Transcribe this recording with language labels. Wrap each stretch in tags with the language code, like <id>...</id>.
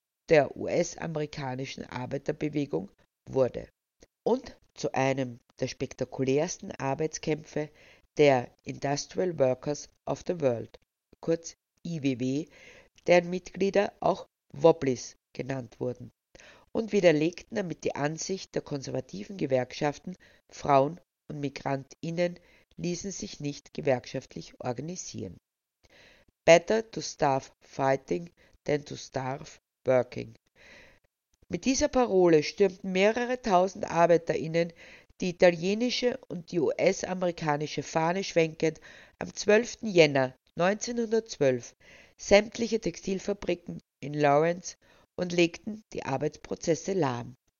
<de>der US-amerikanischen Arbeiterbewegung wurde und zu einem der spektakulärsten Arbeitskämpfe der Industrial Workers of the World, kurz IWW, deren Mitglieder auch Wobblies genannt wurden, und widerlegten damit die Ansicht der konservativen Gewerkschaften, Frauen und MigrantInnen ließen sich nicht gewerkschaftlich organisieren.</de> <en>Better to starve fighting than to starve working.</en> <de>Mit dieser Parole stürmten mehrere tausend ArbeiterInnen die italienische und die US-amerikanische Fahne schwenkend am 12. Jänner 1912 sämtliche Textilfabriken in Lawrence und legten die Arbeitsprozesse lahm.</de>